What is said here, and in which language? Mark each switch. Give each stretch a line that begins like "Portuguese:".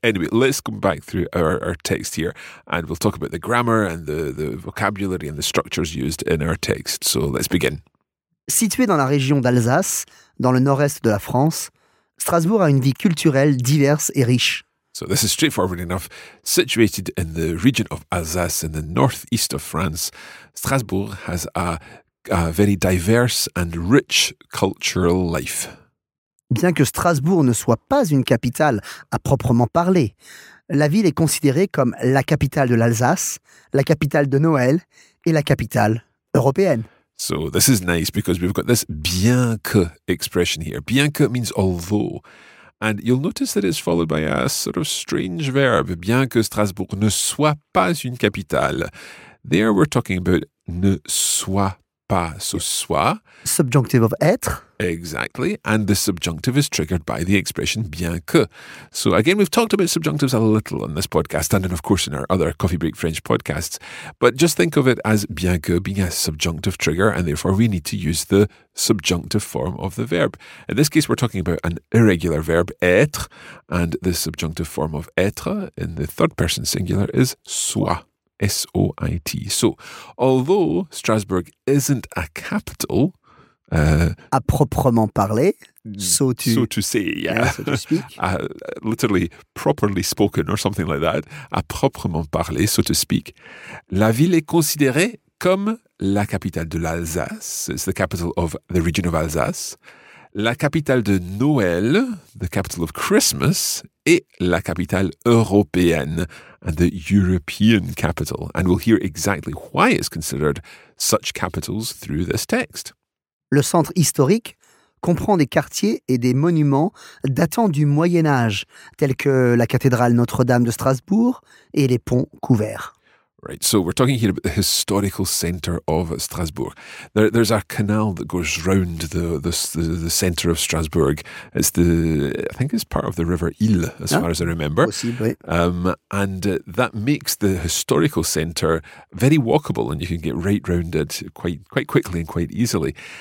English: Anyway, let's come back through our text here, and we'll talk about the grammar and the vocabulary and the structures used in our text. So let's begin.
French: Situé dans la région d'Alsace, dans le nord-est de la France, Strasbourg a une vie culturelle diverse et riche.
English: So this is straightforward enough. Situated in the region of Alsace in the northeast of France, Strasbourg has a very diverse and rich cultural life.
French: Bien que Strasbourg ne soit pas une capitale à proprement parler, la ville est considérée comme la capitale de l'Alsace, la capitale de Noël et la capitale européenne.
English: So this is nice because we've got this
French: bien que
English: expression here.
French: Bien que
English: means although. And you'll notice that it's followed by a sort of strange verb.
French: Bien que Strasbourg ne soit pas une capitale.
English: There we're talking about
French: ne soit pas,
English: so soit. Subjunctive of être. Exactly. And the subjunctive is triggered by the expression
French: bien que.
English: So again, we've talked about subjunctives a little on this podcast and of course in our other Coffee Break French podcasts. But just think of it as
French: bien que
English: being a subjunctive trigger and therefore we need to use the subjunctive form of the verb. In this case, we're talking about an irregular verb être and the subjunctive form of être in the third person singular is soit. S-O-I-T. So, although Strasbourg isn't a capital...
French: À proprement parler,
English: so to speak. Literally, properly spoken or something like that.
French: À proprement parler,
English: so to speak.
French: La ville est considérée comme la capitale de l'Alsace.
English: It's the capital of the region of Alsace. La capitale de Noël, the capital of Christmas, et la capitale européenne, and the European capital. And we'll hear exactly why it's considered such capitals through this text.
French: Le centre historique comprend des quartiers et des monuments datant du Moyen-Âge, tels que la cathédrale Notre-Dame de Strasbourg et les ponts couverts.
English: Right, so we're talking here about the historical centre of Strasbourg. There's a canal that goes round the centre of Strasbourg. I think it's part of the river Ille, as far as I remember. Possibly. That makes the historical centre very walkable, and you can get right round it quite quickly and quite easily.